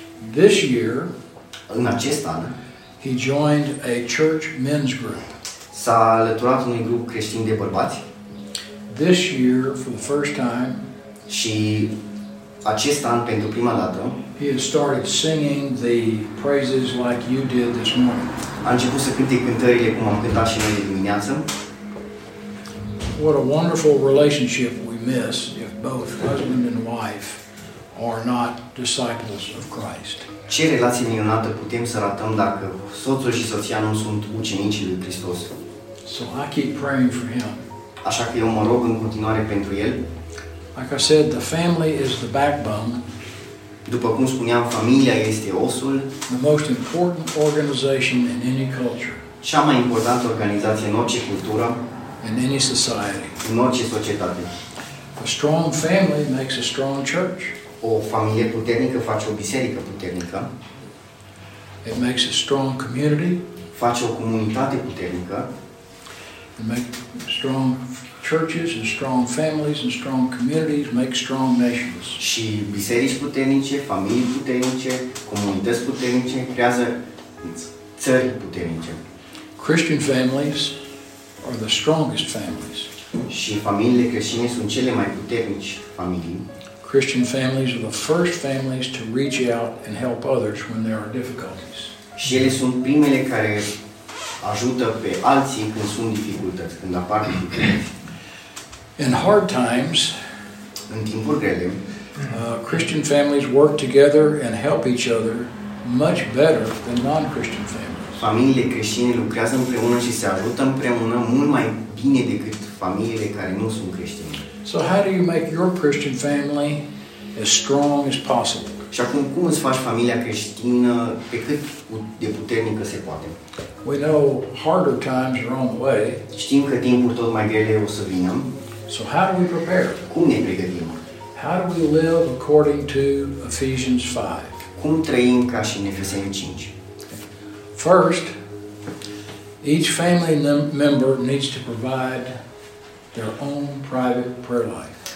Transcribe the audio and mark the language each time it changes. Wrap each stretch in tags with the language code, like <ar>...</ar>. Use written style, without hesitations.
<en>This year,</en> <ro>în acest an,</ro> <en>he joined a church men's group.</en> <ro>S-a alăturat unui grup creștin de bărbați.</ro> <en>This year, for the first time,</en> <ro>și acest an pentru prima dată,</ro> <en>he has started singing the praises like you did this morning.</en> <ro>A început să cânte cântările cum am cântat și noi de dimineață.</ro> <en>What a wonderful relationship we miss if both husband and wife are not disciples of Christ.</en> <ro>Ce relație minunată putem să ratăm dacă soțul și soția nu sunt ucenicii lui Hristos.</ro> <en>So I keep praying for him.</en> <ro>Așa că eu mă rog în continuare pentru el.</ro> <en>Like I said, the family is the backbone.</en> <ro>După cum spuneam, familia este osul.</ro> <en>The most important organization in any culture.</en> <ro>Cea mai importantă organizație în orice cultură.</ro> <en>In any society.</en> <ro>În orice societate.</ro> <en>A strong family makes a strong church.</en> <ro>O familie puternică face o biserică puternică.</ro> <en>It makes a strong community.</en> <ro>Face o comunitate puternică.</ro> <en>It makes strong churches and strong families and strong communities make strong nations.</en> <ro>Și biserici puternice, familii puternice, comunități puternice creează țări puternice.</ro> <en>Christian families are the strongest families.</en> <ro>Și familiile creștine sunt cele mai puternice familii.</ro> <en>Christian families are the first families to reach out and help others when there are difficulties.</en> <ro>Și ele sunt primele care ajută pe alții când sunt dificultăți, când apar dificultăți.</ro> <en>In hard times,</en> <ro>în timpuri grele,</ro> <en>Christian families work together and help each other much better than non-Christian families.</en> <ro>Familiile creștine lucrează împreună și se ajută împreună mult mai bine decât familiile care nu sunt creștine.</ro> <en>So how do you make your Christian family as strong as possible?</en> <ro>Și acum, cum îți faci familia creștină pe cât de puternică se poate?</ro> <en>We know harder times are on the way.</en> <ro>Știm că timpuri tot mai grele o să vină.</ro> <en>So how do we prepare?</en> <ro>Cum ne pregătim?</ro> <en>How do we live according to Ephesians 5?</en> <ro>Cum trăim ca și în Efeseni 5?</ro> <en>First, each family member needs to provide their own private prayer life.</en>